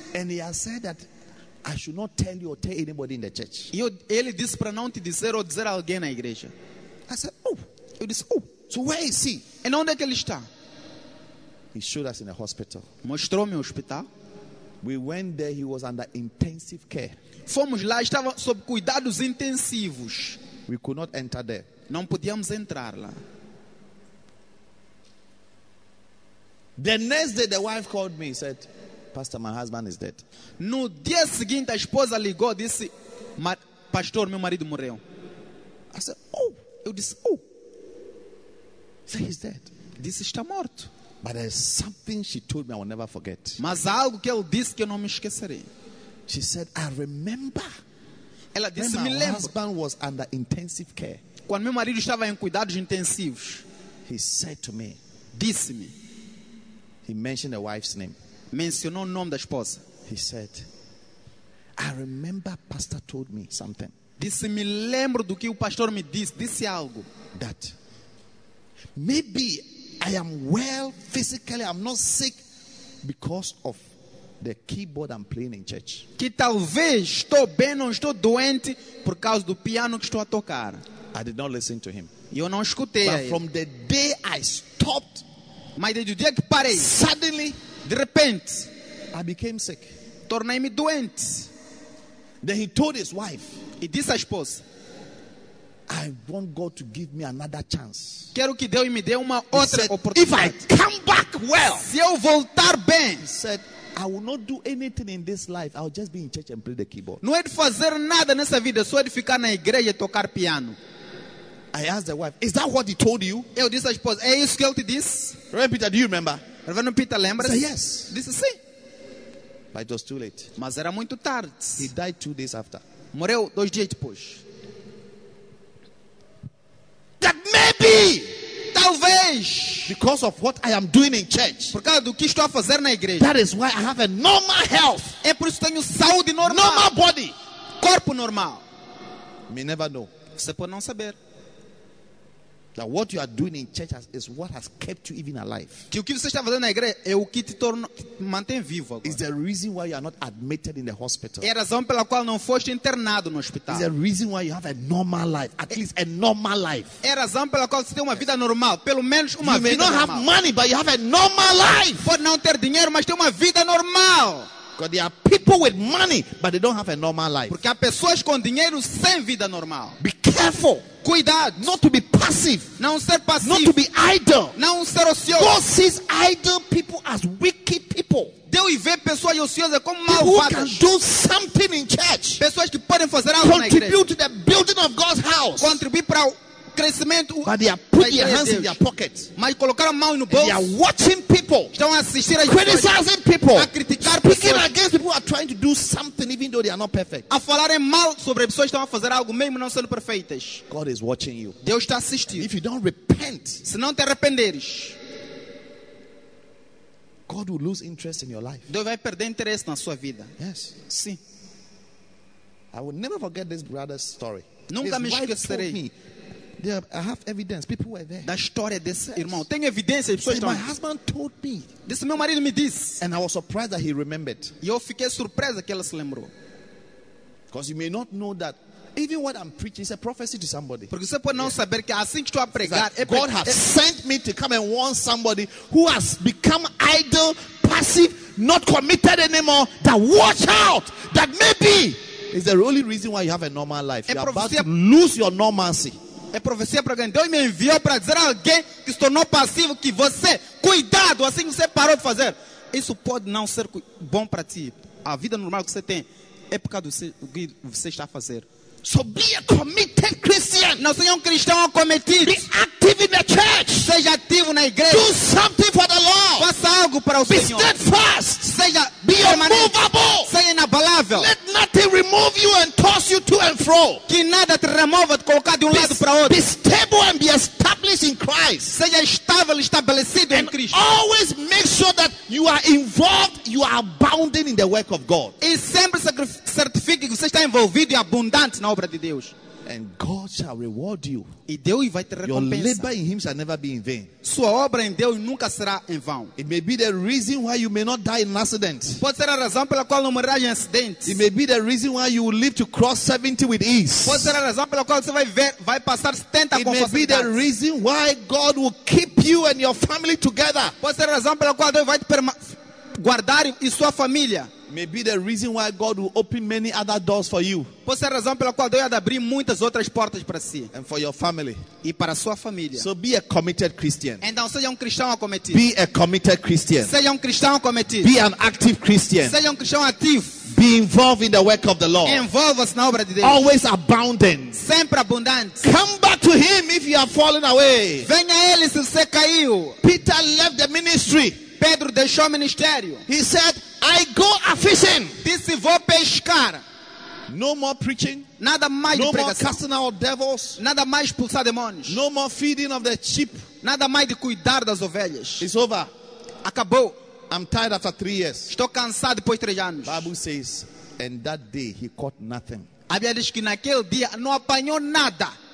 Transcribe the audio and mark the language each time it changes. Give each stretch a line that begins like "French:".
English: And he has said that I should not tell you or tell anybody in the church.
Portuguese: Ele disse para não te dizer ou dizer alguém na igreja.
English: I said, oh.
Portuguese: Eu disse, oh.
English: So where is he?
Portuguese: E onde é que ele está?
English: He showed us in a hospital.
Portuguese: Mostrou-me o hospital.
English: We went there, he was under intensive care.
Portuguese: Fomos lá, estava sob cuidados intensivos.
English: We could not enter there.
Portuguese: Não podíamos entrar lá.
English: The next day, the wife called me and said, Pastor, my husband is dead.
Portuguese: No dia seguinte, a esposa ligou e disse, Pastor, meu marido morreu.
English: I said, oh.
Portuguese: Eu disse, oh.
English: Say he's dead.
Portuguese: Disse, está morto.
English: But there's something she told me I will never forget.
Portuguese: Mas há algo que ela disse que eu não me esquecerei.
English: She said, I remember.
Portuguese: Ela disse,
English: when
Portuguese: me lembro.
English: My husband was under intensive care.
Portuguese: Quando meu marido estava em cuidados intensivos.
English: He said to me.
Portuguese: Disse-me.
English: He mentioned the wife's name.
Portuguese: Mencionou o nome da esposa.
English: He said, I remember pastor told me something.
Portuguese: Disse, me lembro do que o pastor me disse. Disse algo.
English: That maybe I am well physically, I'm not sick because of the keyboard I'm playing in church.
Portuguese: Que talvez estou bem, não estou doente por causa do piano que estou a tocar.
English: I did not listen to him.
Portuguese: Eu não escutei.
English: But from the day I stopped,
Portuguese: mas desde o dia que parei,
English: suddenly,
Portuguese: de repente,
English: I became sick.
Portuguese: Tornei-me doente.
English: Then he told his wife.
Portuguese: E disse à esposa.
English: I want God to give me another chance.
Portuguese: Quero que Deus me dê uma outra oportunidade.
English: If I come back well.
Portuguese: Se eu voltar bem.
English: He said, I will not do anything in this life. I'll just be in church and play the keyboard.
Portuguese: Não é de fazer nada nessa vida. Só é de ficar na igreja e tocar piano.
English: I asked the wife, is that what he told you?
Portuguese: Eu disse à esposa, é isso que ele te disse?
English: Reverend Peter, do you remember?
Portuguese: Reverend Peter, lembra?
English: Said, yes.
Portuguese: Disse sim.
English: But it was too late.
Portuguese: Mas era muito tarde.
English: He died 2 days after.
Portuguese: Morreu 2 dias depois.
English: That maybe.
Portuguese: Talvez.
English: Because of what I am doing in church.
Portuguese: Por causa do que estou a fazer na igreja.
English: That is why I have a normal health.
Portuguese: É por isso que tenho saúde normal.
English: Normal body.
Portuguese: Corpo normal.
English: Me never know.
Portuguese: Você pode não saber.
English: That what you are doing in church is what has kept you even alive.
Portuguese: Que o que você está fazendo na igreja é o que te torna mantém vivo agora.
English: Is the reason why you are not admitted in the hospital.
Portuguese: É a razão pela qual não foste internado no hospital.
English: Is the reason why you have a normal life, at least a normal life.
Portuguese: É a razão pela qual você tem uma vida normal, pelo menos uma vida normal.
English: You may not have money, but you have a normal life.
Portuguese: Pode não ter dinheiro, mas tem uma vida normal.
English: Because there are people with money, but they don't have a normal life.
Portuguese: Porque há pessoas com dinheiro sem vida normal.
English: Be careful.
Portuguese: Cuidado.
English: Not to be passive.
Portuguese: Não ser passivo.
English: Not to be idle.
Portuguese: Não ser ocioso.
English: God sees idle people as wicked people.
Portuguese: Deus vê pessoas ociosas como malvadas.
English: People who can do something in church.
Portuguese: Pessoas que podem fazer algo na igreja.
English: Contribute to the building of God's house.
Portuguese: Contribuir para o crescimento.
English: But they are putting their hands in their pockets.
Portuguese: Mas colocaram a mão no bolso.
English: They are watching people.
Portuguese: Estão assistindo.
English: Criticizing people.
Portuguese: A criticar
English: speaking
Portuguese: pessoas.
English: Speaking against people who are trying to do something even though they are not perfect.
Portuguese: A falarem mal sobre pessoas que estão a fazer algo mesmo não sendo perfeitas.
English: God is watching you.
Portuguese: Deus está assistindo.
English: If you don't repent,
Portuguese: se não te arrependeres,
English: God will lose interest in your life.
Portuguese: Deus vai perder interesse na sua vida.
English: Yes.
Portuguese: Sim.
English: I will never forget this brother's story.
Portuguese: Nunca me esquecerei.
English: I have evidence. People were there.
Portuguese: Da história desse irmão. Tenho evidência.
English: My husband told me.
Portuguese: Disse, meu marido me disse.
English: And I was surprised that he remembered.
Portuguese: E eu fiquei surpresa que ele se lembrou.
English: Because you may not know that even what I'm preaching is a prophecy to somebody.
Portuguese: Porque você pode não saber que assim que estou a pregar,
English: God has sent me to come and warn somebody who has become idle, passive, not committed anymore. That watch out. That maybe is the only reason why you have a normal life. You're about to lose your normalcy.
Portuguese: É profecia para alguém. Deus me enviou para dizer a alguém que se tornou passivo que você, cuidado, assim que você parou de fazer. Isso pode não ser bom para ti. A vida normal que você tem é por causa do que você está a fazer.
English: So be a committed Christian.
Portuguese: Não seja um cristão acometido.
English: Be active in the church.
Portuguese: Seja ativo na igreja.
English: Do something for the Lord.
Portuguese: Faça algo para o
English: be
Portuguese: Senhor.
English: Be steadfast.
Portuguese: Seja
English: immovable.
Portuguese: Seja inabalável.
English: Let nothing remove you and toss you to and fro.
Portuguese: Que nada te remova de colocar de lado para outro.
English: Be stable and be established in Christ.
Portuguese: Seja estável, estabelecido
English: and
Portuguese: em Cristo.
English: Always make sure that you are involved, you are abounding in the work of God.
Portuguese: E sempre certifique que você está envolvido e abundante na obra de Deus.
English: And God shall reward you.
Portuguese: E Deus vai te recompensar.
English: Your labor in Him shall never be in vain.
Portuguese: Sua obra em Deus nunca será em vão.
English: It may be the reason why you may not die in an accident.
Portuguese: Pode ser a razão pela qual não morrerás em acidente.
English: It may be the reason why you will live to cross 70 with ease.
Portuguese: Pode ser a razão pela qual você vai passar 70 com facilidade.
English: It may be the reason why God will keep you and your family together.
Portuguese: Pode ser a razão pela qual Deus vai te guardar e sua família.
English: May be the reason why God will open many other doors for you.
Portuguese: Pode ser a razão pela qual Deus vai abrir muitas outras portas para si.
English: And for your family.
Portuguese: E para sua família.
English: So be a committed Christian.
Portuguese: Então seja cristão acometido.
English: Be a committed Christian.
Portuguese: Seja cristão acometido.
English: Be an active Christian.
Portuguese: Seja cristão ativo.
English: Be involved in the work of the Lord.
Portuguese: Envolva-se na obra de Deus.
English: Always abounding.
Portuguese: Sempre abundante.
English: Come back to Him if you have fallen away.
Portuguese: Venha a Ele se você caiu.
English: Peter left the ministry.
Portuguese: Pedro deixou o ministério.
English: He said, I go a fishing.
Portuguese: Disse, vou pescar.
English: No more preaching.
Portuguese: Nada mais
English: no
Portuguese: de pregação.
English: No more casting out devils.
Portuguese: Nada mais expulsar demônios.
English: No more feeding of the sheep.
Portuguese: Nada mais de cuidar das ovelhas.
English: It's over.
Portuguese: Acabou.
English: I'm tired after 3 years.
Portuguese: Estou cansado depois de 3 anos.
English: Bible says, and that day he caught nothing.
Portuguese: A Bíblia diz que naquele dia não apanhou nada.